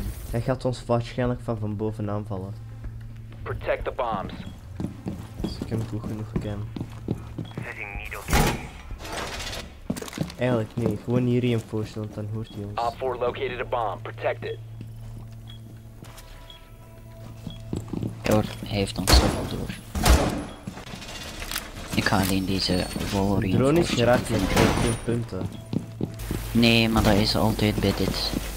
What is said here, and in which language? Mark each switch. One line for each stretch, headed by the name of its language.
Dutch: Hij gaat ons waarschijnlijk van boven aanvallen.
English: Protect the bombs.
Dutch: Dus ik heb hem goed genoeg gekend. Eigenlijk nee, gewoon hier reinforcen, want dan hoort hij ons.
English: Op 4 located a bomb, protect it.
Dutch: Hij heeft ons zoveel door. Ik ga alleen deze wall reinforcen. De drone is geraakt in 13 punten. Nee, maar dat is altijd bij dit.